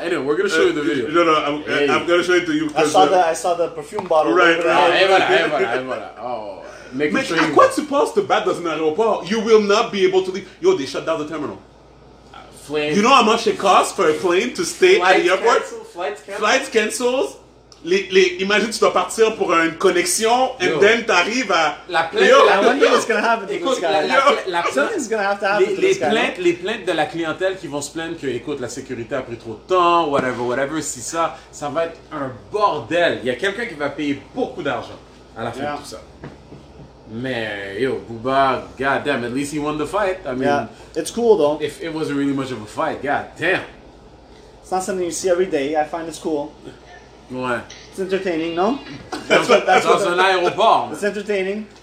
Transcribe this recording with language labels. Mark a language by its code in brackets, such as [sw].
[en] Anyway, we're going to show you the video. No, no, I'm going to show it to you. I saw the perfume bottle. Right. [fr] Et voilà. Oh, mais à quoi tu penses te battre dans un aéroport? [en] You will not be able to leave. Yo, they shut down the terminal. Flame. You know how much it costs for a plane to stay flights at the airport? Flights canceled. [fr] Imagine tu dois partir pour une connexion et then tu arrives à la plainte. Yo. [en] I wonder what's gonna happen to this guy. Something's gonna have to happen to this [fr] plaintes, guy. Les plaintes de la clientèle qui vont se plaindre que écoute la sécurité a pris trop de temps, whatever, si ça va être un bordel. Il y a quelqu'un qui va payer beaucoup d'argent à la fin de tout ça. [en] Mais yo, Booba, goddamn, at least he won the fight. I mean, It's cool though. If it wasn't really much of a fight, goddamn. It's not something you see every day. I find it's cool. [fr] Ouais. [en] It's entertaining, non? [fr] Dans un aéroport. [en] It's entertaining.